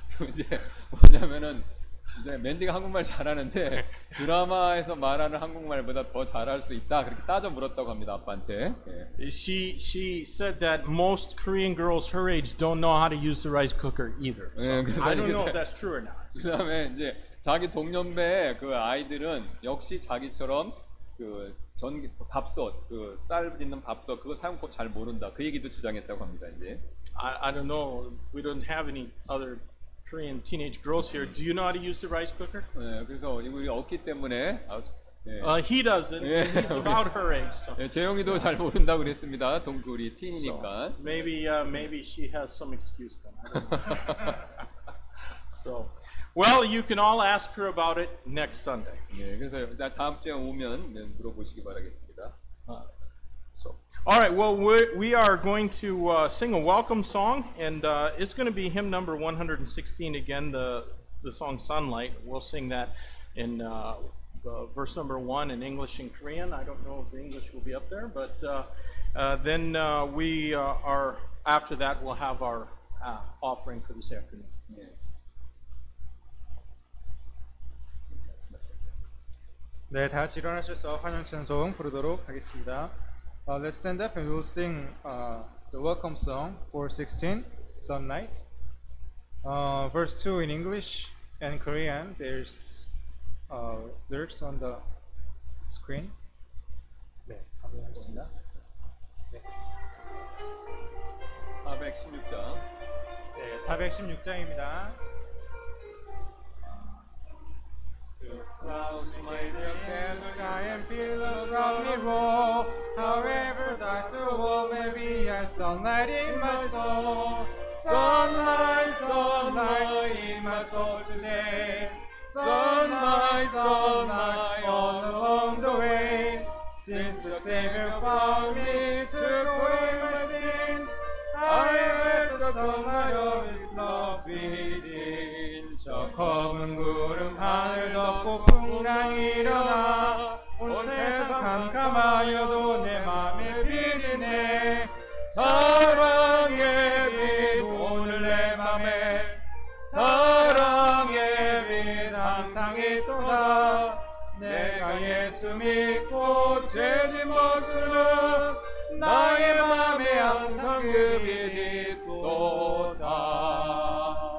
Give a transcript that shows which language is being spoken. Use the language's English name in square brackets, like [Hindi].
[Korean] 이제 뭐냐면은 네, 맨디가 한국말 잘하는데 드라마에서 말하는 한국말보다 더 잘할 수 있다 그렇게 따져 물었다고 합니다 아빠한테. 네. [English] She said that most Korean girls her age don't know how to use the rice cooker either. So 네, I don't know if that's true or not. [Korean] 그다음에 이제 자기 동년배 그 아이들은 역시 자기처럼 그 전기 밥솥 그 쌀 있는 밥솥 그거 사용법 잘 모른다 그 얘기도 주장했다고 합니다 이제. [English] I don't know. We don't have any other Korean teenage girls here. Do you know how to use the rice cooker? [Korean] 네, 그래서 우리 없기 때문에. [English] He doesn't. It's about her age. [Korean] 네, 재영이도 잘 모른다고 그랬습니다. 동굴이 [English] teen이니까. Maybe she has some excuse then. So, well, you can all ask her about it next Sunday. [Korean] 네, 그래서 다음 주에 오면 물어보시기 바라겠습니다. [English] All right, well, we are going to sing a welcome song, and it's going to be hymn number 116 again, the song Sunlight. We'll sing that in the verse number one in English and Korean. I don't know if the English will be up there, but then we are after that we'll have our offering for this afternoon. Yeah. [Korean] 네, 다 같이 일어나셔서 환영 찬송 부르도록 하겠습니다. [English] Let's stand up and we'll sing the welcome song 416 some night. Verse 2 in English and Korean. There's lyrics on the screen. [Korean] 네, 감사합니다. 네. 416장. 네, 416장입니다. [English] Clouds may drift and sky and pillows round me roll. However dark the world may be, I'm sunlight in my soul. Sunlight, sunlight in my soul today. Sunlight, sunlight all along the way. Since the Savior found me, took away my sin, I let the sunlight of His love begin. [Korean] 저 검은 구름 하늘 덮고 풍랑 일어나 온 세상 캄캄하여도 내 맘에 비드네 사랑의 빛 오늘 내 맘에 사랑의 빛 항상 있도다 내가 예수 믿고 죄진 모습은 나의 맘에 항상 그 빛 있도다